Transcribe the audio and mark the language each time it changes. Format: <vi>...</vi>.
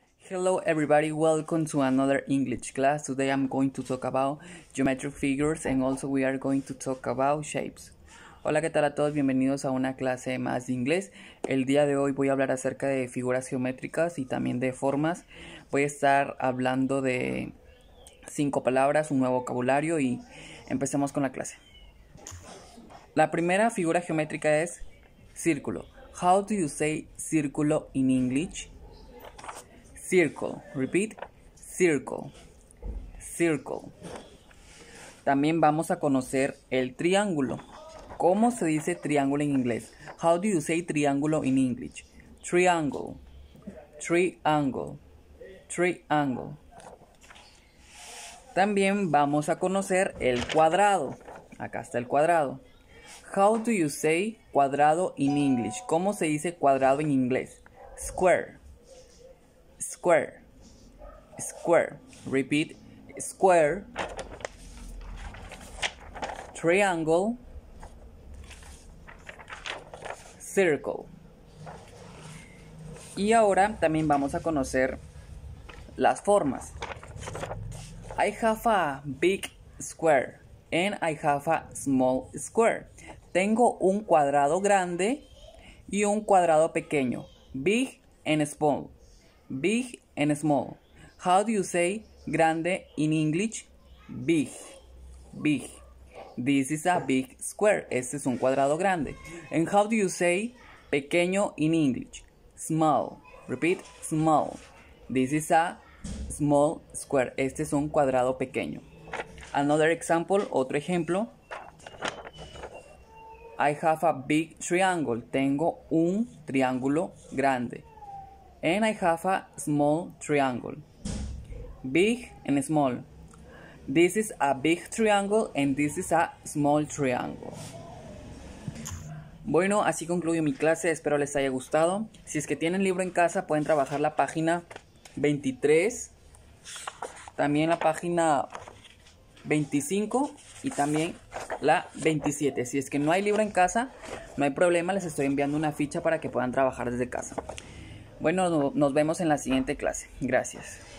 <en>Hello everybody, welcome to another English class. Today I'm going to talk about geometric figures and also we are going to talk about shapes.</en> <es>Hola, ¿qué tal a todos? Bienvenidos a una clase más de inglés. El día de hoy voy a hablar acerca de figuras geométricas y también de formas. Voy a estar hablando de 5 palabras, un nuevo vocabulario y empecemos con la clase. La primera figura geométrica es círculo.</es> <en>How do you say círculo in English? Circle, repeat, circle, circle.</en> <es>También vamos a conocer el triángulo. ¿Cómo se dice triángulo en inglés?</es> <en>How do you say triángulo in English? Triangle, triangle, triangle.</en> <es>También vamos a conocer el cuadrado. Acá está el cuadrado.</es> <en>How do you say cuadrado in English?</en> <es>¿Cómo se dice cuadrado en inglés?</es> <en>Square. Square, square, repeat, square, triangle, circle.</en> <es>Y ahora también vamos a conocer las formas.</es> <en>I have a big square and I have a small square.</en> <es>Tengo un cuadrado grande y un cuadrado pequeño,</es> <en>big and small. Big and small. How do you say grande in English? Big. Big. This is a big square.</en> <es>Este es un cuadrado grande.</es> <en>And how do you say pequeño in English? Small. Repeat. Small. This is a small square.</en> <es>Este es un cuadrado pequeño.</es> <en>Another example.</en> <es>Otro ejemplo.</es> <en>I have a big triangle.</en> <es>Tengo un triángulo grande.</es> <en>And I have a small triangle. Big and small. This is a big triangle and this is a small triangle.</en> <es>Bueno, así concluyo mi clase. Espero les haya gustado. Si es que tienen libro en casa, pueden trabajar la página 23. También la página 25 y también la 27. Si es que no hay libro en casa, no hay problema. Les estoy enviando una ficha para que puedan trabajar desde casa. Bueno, nos vemos en la siguiente clase. Gracias.</es>